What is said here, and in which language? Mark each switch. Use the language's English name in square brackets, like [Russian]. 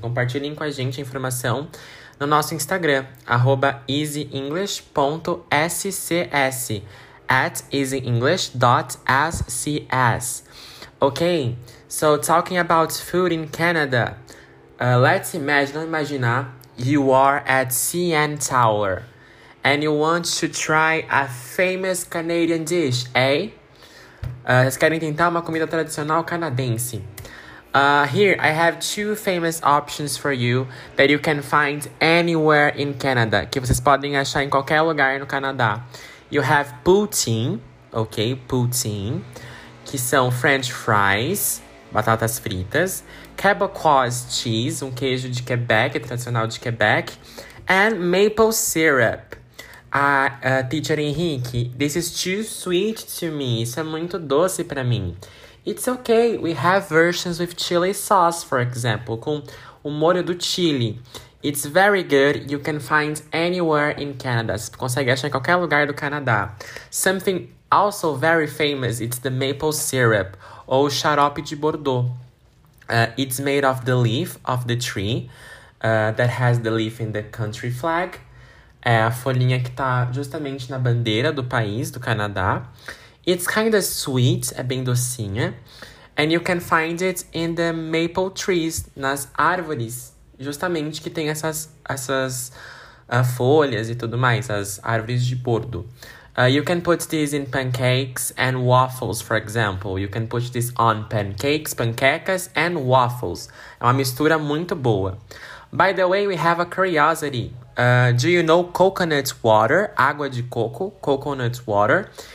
[Portuguese] Compartilhem com a gente a informação no nosso Instagram, @easyenglish.scs. @easyenglish.scs. [English] Okay, so talking about food in Canada, let's imagine you are at CN Tower and you want to try a famous Canadian dish, eh? [Portuguese] Vocês querem tentar uma comida tradicional canadense. [English] Here, I have two famous options for you that you can find anywhere in Canada, [Portuguese] que vocês podem achar em qualquer lugar no Canadá. [English] You have poutine, ok, poutine, que são french fries, batatas fritas, Quebecois cheese, um queijo de Quebec, tradicional de Quebec, and maple syrup. Teacher Henrique, this is too sweet to me, [Portuguese] isso é muito doce pra mim. [English] It's okay, we have versions with chili sauce, for example, [Portuguese] com o molho do chili. [English] It's very good, you can find anywhere in Canada. [Portuguese] Você consegue achar em qualquer lugar do Canadá. [English] Something also very famous, it's the maple syrup, [Portuguese] ou xarope de Bordeaux. [English] It's made of the leaf of the tree, that has the leaf in the country flag. [Portuguese] É a folhinha que tá justamente na bandeira do país, do Canadá. [English] It's kind of sweet, [Portuguese] é bem docinha. [English] And you can find it in the maple trees, [Portuguese] nas árvores. Justamente que tem essas folhas e tudo mais, as árvores de bordo. [English] You can put this in pancakes and waffles, for example. You can put this on pancakes, panquecas and waffles. [Portuguese] É uma mistura muito boa. [English] By the way, we have a curiosity. Do you know coconut water? Água de coco, coconut water.